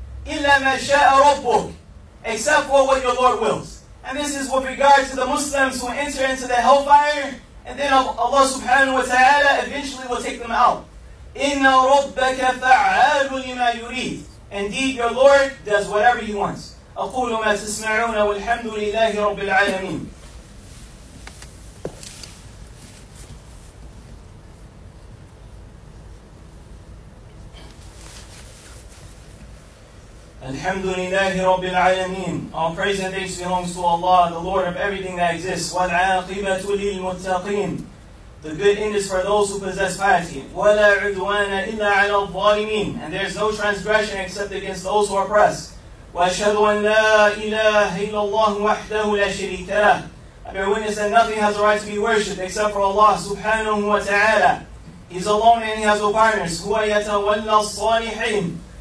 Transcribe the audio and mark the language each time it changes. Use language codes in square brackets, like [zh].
[ar] إِلَّا مَا شَاءَ رَبُّكَ [en] Except for what your Lord wills. And this is with regard to the Muslims who enter into the hellfire, and then Allah subhanahu wa ta'ala eventually will take them out. [ar] إِنَّ رَبَّكَ فَعَالٌ لِمَا يُرِيدُ [en] Indeed, your Lord does whatever He wants. [ar] أقول ما تسمعون والحمد لله رب العالمين. الحمد لله رب العالمين. [en] All praise and thanks belongs to Allah, the Lord of everything that exists. [ar] والعاقبة للمتقين. [en] The good end is for those who possess piety. [ar] ولا عدوان إلا على الظالمين. [en] And there is no transgression except against those who oppress. [ar] وأشهد أن لا إله إلا الله وحده لا شريك له. [en] I bear witness that nothing has a right to be worshipped except for Allah subhanahu wa ta'ala. He's alone and he has no partners. [ar] هُوَ يَتَوَلَّى الصَّالِحِينَ.